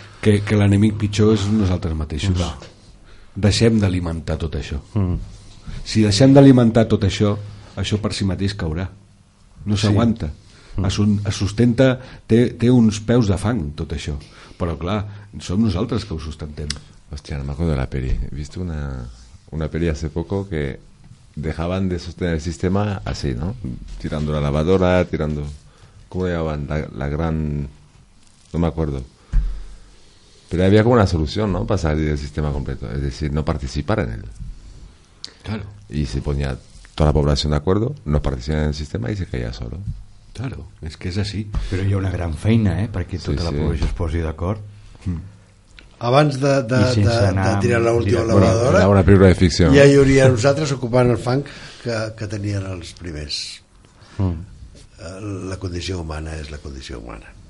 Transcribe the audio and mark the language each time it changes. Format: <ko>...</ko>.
<ca>que l'enemic pitjor és nosaltres mateixos. Va. Deixem d'alimentar tot això. Si deixem d'alimentar tot això, això per si mateix caurà. No s'aguanta. Sí. Es sustenta, té uns peus de fang tot això, però clar, som nosaltres que ho sustentem. Hòstia, no m'acordo de la peli. He vist una peli</ca> <es>hace poco que dejaban de sostener el sistema así, ¿no? Tirando la lavadora, tirando, ¿cómo llamaban? La gran, no me acuerdo, pero había como una solución, ¿no? Para salir del sistema completo, es decir, no participar en él. Claro. Y se ponía toda la población de acuerdo, no participaba en el sistema y se caía solo.</es> <ca>Claro, és que és així. Però hi ha una gran feina, perquè tota la població es posi d'acord. Abans de tirar l'última lavadora, era una pel·lícula de ficció. Ja hi hauria nosaltres ocupant el fang que tenien els primers. La condició humana és la condició humana.</ca>